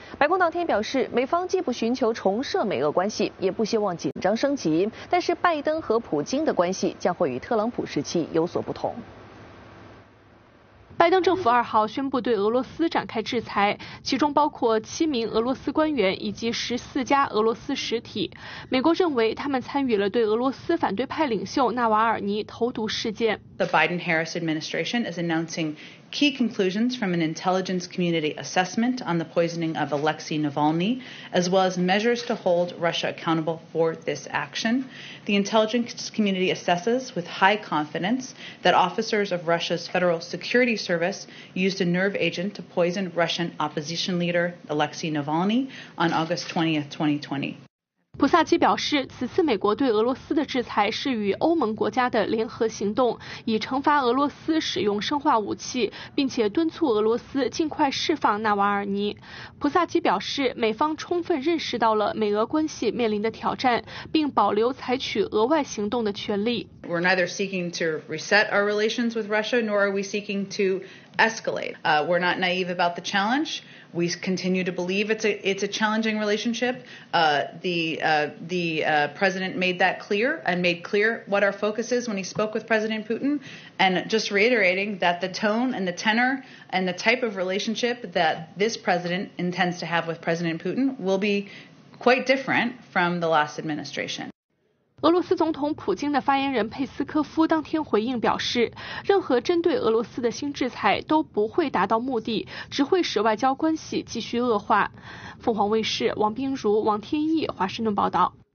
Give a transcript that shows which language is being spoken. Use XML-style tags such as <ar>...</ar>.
<zh>白宫当天表示，美方既不寻求重设美俄关系，也不希望紧张升级，但是拜登和普京的关系将会与特朗普时期有所不同。拜登政府2号宣布对俄罗斯展开制裁，其中包括7名俄罗斯官员以及14家俄罗斯实体。美国认为他们参与了对俄罗斯反对派领袖纳瓦尔尼投毒事件。</zh> <en>The Biden-Harris administration is announcing key conclusions from an intelligence community assessment on the poisoning of Alexei Navalny, as well as measures to hold Russia accountable for this action. The intelligence community assesses with high confidence that officers of Russia's Federal Security Service used a nerve agent to poison Russian opposition leader Alexei Navalny on August 20, 2020.</en> <zh>普萨基表示，此次美国对俄罗斯的制裁是与欧盟国家的联合行动，以惩罚俄罗斯使用生化武器，并且敦促俄罗斯尽快释放纳瓦尔尼。普萨基表示，美方充分认识到了美俄关系面临的挑战，并保留采取额外行动的权利。</zh> <en>We're neither seeking to reset our relations with Russia, nor are we seeking to escalate. We're not naive about the challenge. We continue to believe it's a challenging relationship. President made that clear and made clear what our focus is when he spoke with President Putin. And just reiterating that the tone and the tenor and the type of relationship that this president intends to have with President Putin will be quite different from the last administration.</en> <zh>俄罗斯总统普京的发言人佩斯科夫当天回应表示，任何针对俄罗斯的新制裁都不会达到目的，只会使外交关系继续恶化。凤凰卫视王冰如、王天翼华盛顿报道。</zh>